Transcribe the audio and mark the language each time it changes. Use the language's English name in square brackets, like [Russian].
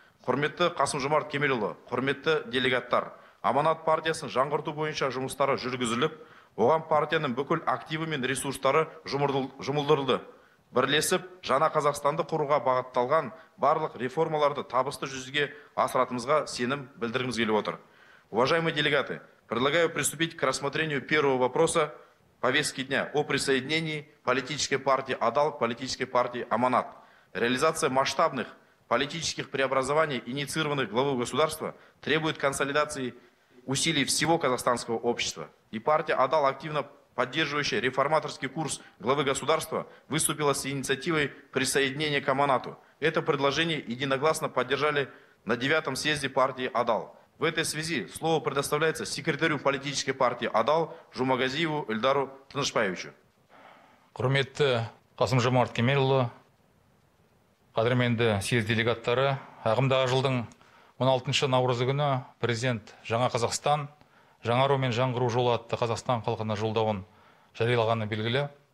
[Kazakh] Құрметті Қасым-Жомарт Кемелұлы, құрметті делегаттар, Аманат партиясын жаңғырту бойынша жұмыстары жүргізіліп, оған партияның бүкіл активі мен ресурстары жұмылдырылды. Бірлесіп, жаңа Қазақстанды құруға бағытталған барлық реформаларды табысты жүзеге асыратымызға сенім білдіргіміз келіп отыр. [Russian] Уважаемые делегаты, предлагаю приступить к рассмотрению первого вопроса повестки дня о присоединении политической партии «Адал» к политической партии «Аманат». Реализация масштабных политических преобразований, инициированных главой государства, требует консолидации усилий всего казахстанского общества. И партия «Адал», активно поддерживающая реформаторский курс главы государства, выступила с инициативой присоединения к «Аманату». Это предложение единогласно поддержали на 9-м съезде партии «Адал». В этой связи слово предоставляется секретарю политической партии «Адал» Жумагазиеву Эльдару Тынышбаевичу. [Kazakh] Құрметті Қасым-Жомарт Кемелұлы, Қадірменді съезд делегаттары, ағымдағы жылдың 16 наурызы күні президент жаңа Қазақстан, жаңару мен жаңғыру жолы атты Қазақстан халқына жолдауын жариялағаны белгілі.